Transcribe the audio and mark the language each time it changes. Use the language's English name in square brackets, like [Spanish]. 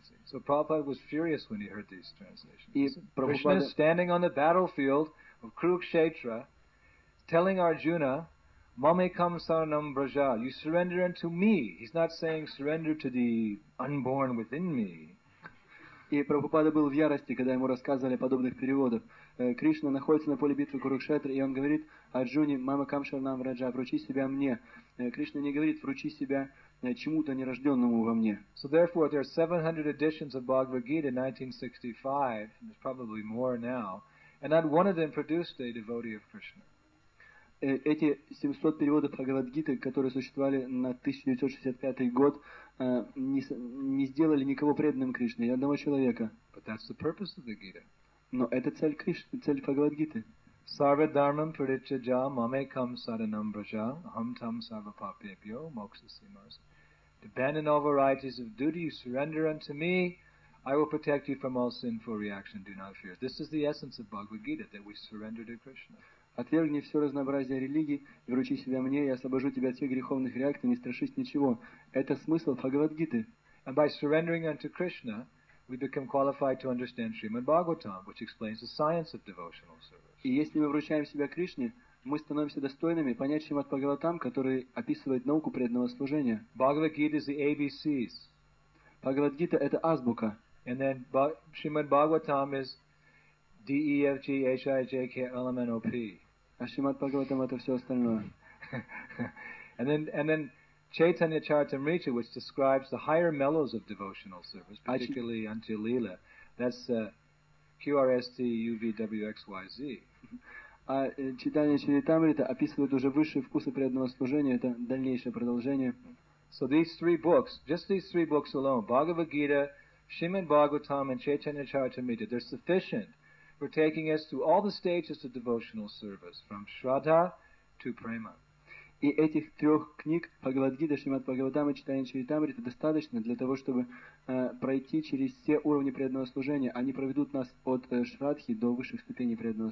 [English] So Prabhupada was furious when he heard these translations. [Russian] И [English] Krishna is standing on the battlefield of Kurukshetra, telling Arjuna, [Sanskrit] Mame kam saranam braja, [English] you surrender unto me. He's not saying surrender to the unborn within me. [Russian] И Прабхупада был в ярости, когда ему рассказывали подобных переводов. Кришна находится на поле битвы Курукшетра, и он говорит Арджуне, [Sanskrit] Мама кам саранам браджа, [Russian] вручи себя мне. Кришна не говорит, вручи себя чему-то нерожденному во мне. [English] So therefore, there are 700 editions of Bhagavad Gita in 1965, and there's probably more now, and not one of them produced a devotee of Krishna. [Russian] Эти 700 переводов Бхагавадгиты, которые существовали на 1965 год, не сделали никого преданным Кришне, ни одного человека. [English] But that's the purpose of the Gita. [Russian] Но это цель Кришны, цель Бхагавадгиты. [Sanskrit] Sarva dharmam pariccaja mame kam saranam braja aham tam sarva papebhyo moksha simas. [English] To abandon all varieties of duty, you surrender unto me, I will protect you from all sinful reaction, do not fear. This is the essence of Bhagavad Gita, that we surrender to Krishna. [Russian] Отвергни все разнообразие религий, и вручи себя мне, я освобожу тебя от всех греховных реакций, не страшись ничего. Это смысл Бхагавадгиты. [English] And by surrendering unto Krishna, we become qualified to understand Srimad Bhagavatam, which explains the science of devotional service. [Russian] И если мы вручаем себя Кришне, мы становимся достойными понять Шримад Бхагаватам, который описывает науку преданного служения. [English] Bhagavad Gita is the ABCs. [Russian] Бхагавадгита это азбука. [English] And then Shrimad Bhagavatam is D E F G H I J K L M N O P. [Russian] А Шримад Бхагаватам это все остальное. [English] And then Chaitanya Charitamrita, which describes the higher mellows of devotional service, particularly unto Lila. That's QRSTUVWXYZ. [Russian] А Чайтанья Чаритамрита описывает уже высшие вкусы преданного служения, это дальнейшее продолжение. [English] So these three books, just these three books alone, Bhagavad Gita, Srimad Bhagavatam, and Chaitanya Charitamrita, they're sufficient for taking us through all the stages of devotional service, from Shraddha to Prema. [Russian] И этих трех книг Бхагавад-гита, Шримад Бхагаватама, Чайтанья Чаритамрита достаточно для того, чтобы пройти через все уровни преданного служения. Они проведут нас от Шрадхи до высших ступеней преданного